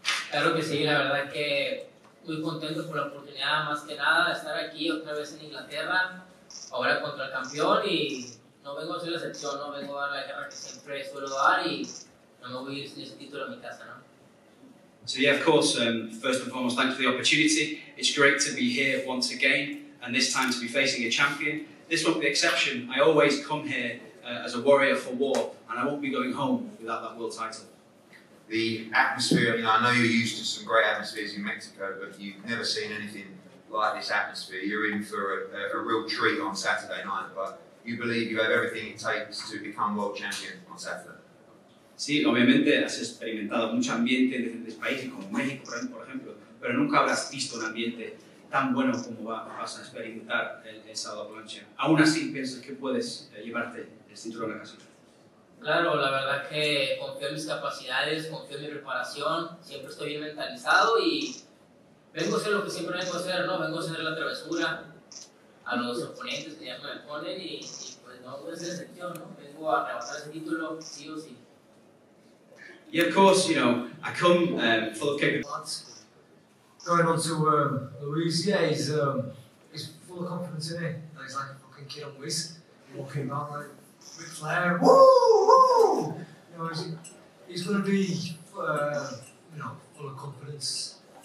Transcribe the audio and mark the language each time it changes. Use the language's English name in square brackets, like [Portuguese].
[Spanish] Claro que sí. La verdad que muy contento por la oportunidad, más que nada, de estar aquí otra vez en Inglaterra, ahora contra el campeón y no vengo a ser la excepción. No vengo a dar la guerra que siempre suelo dar y no me voy a ir sin ese título a mi casa, ¿no? [English] So yeah, of course, first and foremost, thanks for the opportunity. It's great to be here once again, and this time to be facing a champion. This won't be the exception. I always come here as a warrior for war, and I won't be going home without that world title. The atmosphere, I know you're used to some great atmospheres in Mexico, but you've never seen anything like this atmosphere. You're in for a real treat on Saturday night, but you believe you have everything it takes to become world champion on Saturday. [Spanish] Sí, obviamente has experimentado mucho ambiente en diferentes países, como México, por ejemplo, pero nunca habrás visto un ambiente tan bueno como vas a experimentar el sábado por la noche. Aún así, ¿piensas que puedes llevarte el cinturón a la casa? Claro, la verdad es que confío en mis capacidades, confío en mi preparación, siempre estoy bien mentalizado y vengo a ser lo que siempre vengo a ser, ¿no? Vengo a hacer la travesura a los oponentes que ya me ponen y pues no voy a ser excepción, ¿no? Vengo a arrebatar ese título, sí o sí. [English] Yeah, of course, you know, I come full of capabilities. Going on to Luis, yeah, he's full of confidence in it. No, he's like a fucking kid on Luis, walking about like with flair, woo, woo! You know, he's going to be, full of confidence.